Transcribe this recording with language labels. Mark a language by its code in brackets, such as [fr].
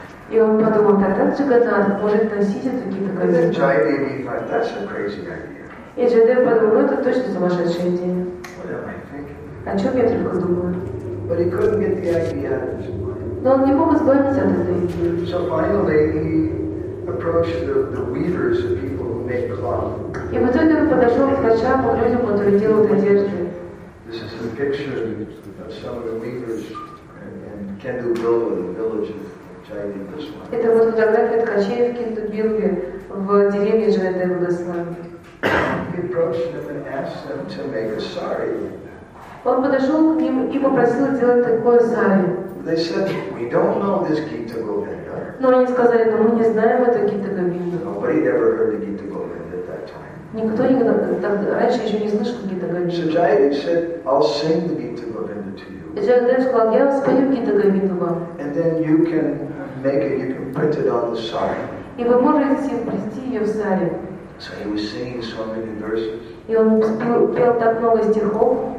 [ru] И он подумал, тогда Джаганнат может носить эту Гиту Говинду. И И Джадев подумал, ну это точно сумасшедшая идея. [en] What am I thinking? [ru] О чем я только думаю? [en] But he couldn't get the idea out of his mind. [ru] Но он не мог избавиться от этой идеи. [en] So finally he approached the weavers, the people who make cloth. [ru] И в итоге он подошел к ткачам, к людям, которые делают одежды. [en] This is a picture of some of the weavers in Kendu-Bilwa, the village of Jayadeva-Swami. [ru] Это вот фотография ткачей в Кендубилве, в деревне Джайдева-Госвами. [en] He approached them and asked them to make a sari. [ru] Он подошел к ним и попросил сделать такое сари. [en] They said, we don't know this Gita Govinda. [ru] Но они сказали, но мы не знаем это Гита Говинда. [en] Nobody ever heard of Gita Govinda at that time. [ru] Никто никогда так, раньше еще не слышал Гита Говинда. [en] So Jayadev said, I'll sing the Gita Govinda to you. [ru] И Джайдев сказал, я спою Гита Говинду вам. [en] And then you can make it, you can print it on the sari. [ru] И вы можете принести ее в сари. [en] So he was singing so many verses. [ru] И он пел так много стихов.